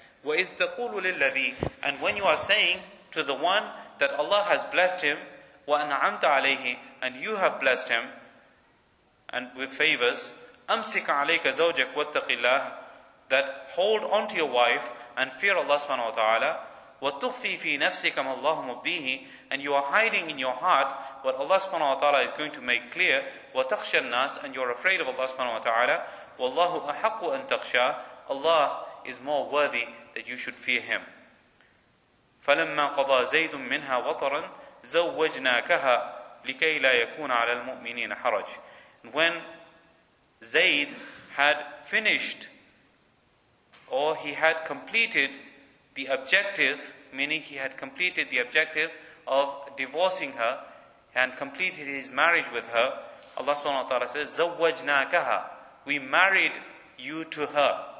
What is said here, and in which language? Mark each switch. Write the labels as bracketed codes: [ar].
[ar] وَإِذْ تَقُولُ لِلَّذِي, [en] and when you are saying to the one that Allah has blessed him, [ar] وَأَنْعَمْتَ عَلَيْهِ, [en] and you have blessed him, and with favors, [ar] أَمْسِكْ عَلَيْكَ زَوْجَكَ وَاتَّقِ اللَّهِ, [en] that hold on to your wife and fear Allah subhanahu wa ta'ala. [ar] وَتُخْفِي فِي نَفْسِكَ مَا اللَّهُ مُبْدِيهِ, [en] and you are hiding in your heart what Allah subhanahu wa ta'ala is going to make clear. [ar] وَتَخْشَى النَّاسِ, [en] and you are afraid of Allah subhanahu wa ta'ala. [ar] وَاللَّهُ أَحَقُّ أَن تَخْشَى, [en] Allah is more worthy that you should fear Him. [ar] فلما قضى زيد منها وطرا زوجناكها لكي لا يكون على المؤمنين حرج. [en] And when Zayd had finished or he had completed the objective, meaning he had completed the objective of divorcing her and completed his marriage with her, Allah subhanahu wa ta'ala says, [ar] زوجناكها, [en] we married you to her.